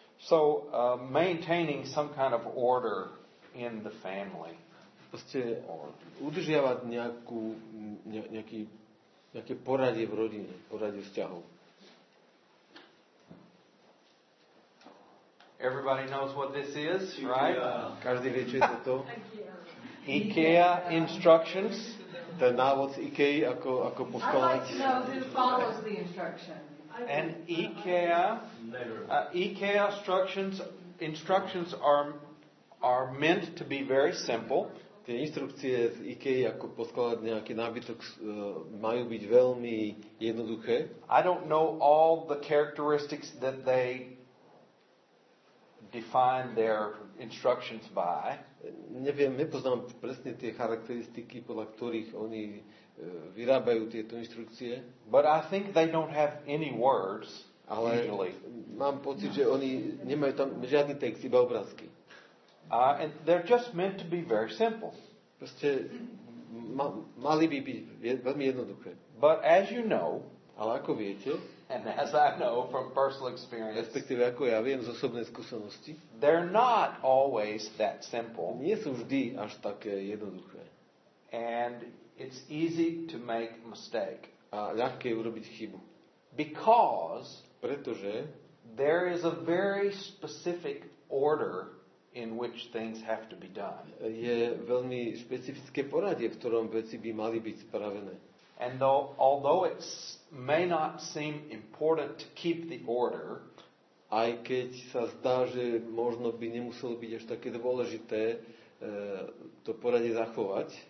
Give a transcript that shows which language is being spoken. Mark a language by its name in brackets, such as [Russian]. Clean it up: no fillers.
[English] So maintaining some kind of order in the family. [Slovak] Proste udržiavať nejaké poradie v rodine, poradie vzťahov. [English] Everybody knows what this is, right? [Slovak] Každý vie, čo je to. [English] IKEA instructions. [Slovak] Ten návod z IKEA, ako poskladať. [English] I like to know who follows the instructions. And IKEA instructions are meant to be very simple. [Slovak] Tie inštrukcie z IKEA, ako poskladať nejaký nábytok, majú byť veľmi jednoduché. [English] I don't know all the characteristics that they define their instructions by. [Slovak] Nepoznám presne tie charakteristiky, podľa ktorých oni vyrábajú tieto inštrukcie. [English] But I think they don't have any words. [Slovak] Ale [English] usually. [Slovak] Mám pocit, že oni nemajú tam žiadny text, iba obrázky. [English] And they're just meant to be very simple. [Slovak] Proste mali by byť veľmi jednoduché. [English] But as you know, [Slovak] ale ako viete, [English] and as I know from personal experience, [Slovak] respektíve ako ja viem z osobnej skúsenosti, [English] they're not always that simple. [Slovak] Nie sú vždy až také jednoduché. [English] And it's easy to make a mistake. [Slovak] A ľahké je urobiť chybu. [English] Because [Slovak] pretože [English] there is a very specific order in which things have to be done. [Slovak] Je veľmi špecifické poradie, v ktorom veci by mali byť spravené. [English] And though, although it may not seem important to keep the order, [Slovak] aj keď sa zdá, že možno by nemuselo byť až také dôležité to poradie zachovať,